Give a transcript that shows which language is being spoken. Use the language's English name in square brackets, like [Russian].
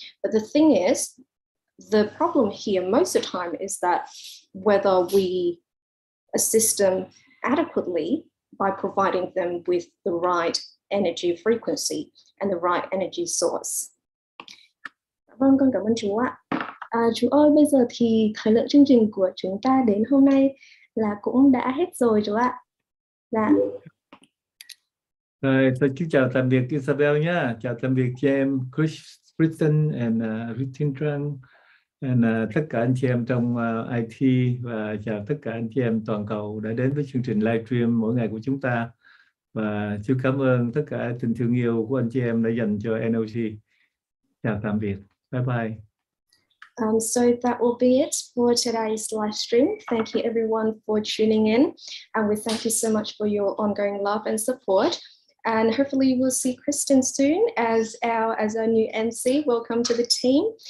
[English] But the thing is, the problem here most of the time is that whether we assist them adequately by providing them with the right energy frequency and the right energy source. [Vietnamese] Vâng, con cảm ơn chú ạ. À, chú ơi, bây giờ thì thời lượng chương trình của chúng ta đến hôm nay là cũng đã hết rồi chú ạ. Dạ. Rồi, tôi chú chào tạm biệt Isabel nhá. Chào tạm biệt cho em Chris, Kristen and Ritin Trang and tất cả anh chị em trong IT, và chào tất cả anh chị em toàn cầu đã đến với chương trình live stream mỗi ngày của chúng ta. Và chúc cảm ơn tất cả tình thương yêu của anh chị em đã dành cho NLG. Chào tạm biệt. Bye bye. [English] So that will be it for today's live stream. Thank you everyone for tuning in. And we thank you so much for your ongoing love and support. And hopefully we'll see Kristen soon as our new MC. Welcome to the team.